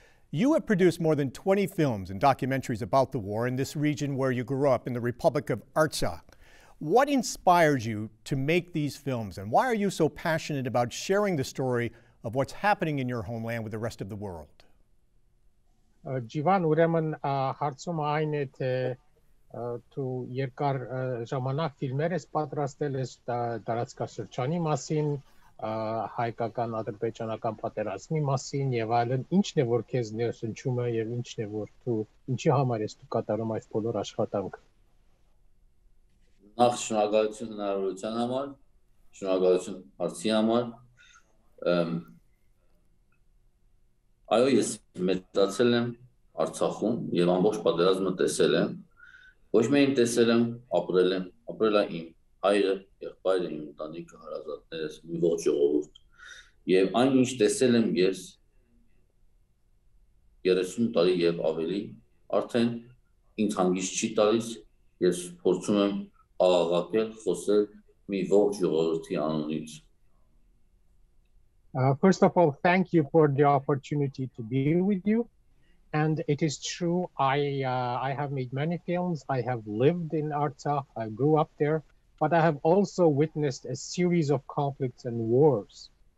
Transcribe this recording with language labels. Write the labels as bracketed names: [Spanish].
[English] You have produced more than 20 films and documentaries about the war in this region where you grew up, in the Republic of Artsakh. What inspired you to make these films, and why are you so passionate about sharing the story of what's happening in your homeland with the rest of the world? [Armenian] Jivan, ուրեմն հարցում այն է թե թու երկար ժամանակ ֆիլմեր ես պատրաստել ես տարածաշրջանի մասին, հայկական ադրբեջանական պատերազմի մասին եւ այլն, ինչն է որ քեզ ներշնչում է եւ ինչն է որ թու ինչի համար ես դու կատարում այս բոլոր աշխատանքը։ Նախ շնորհակալություն հնարավորության համար, շնորհակալություն հարցի համար։ Այո, ես մեծացել եմ Արցախում եւ ամբողջ պատերազմը տեսել եմ։ Ոչ միայն տեսել եմ, ապրել եմ, ապրել եմ հայրը, եղբայրը, իմ ընտանիքը, հարազատներս, մի ողջ ժողովուրդ։ Եվ այն, ինչ տեսել եմ ես 30 տարի եւ ավելի, արդեն ինձ հանգիստ չի տալիս, ես փորձում եմ աղաղակել, խոսել մի ողջ ժողովրդի անունից։ [English] First of all, thank you for the opportunity to be with you. And it is true, I have made many films. I have lived in Artsakh, I grew up there, but I have also witnessed a series of conflicts and wars.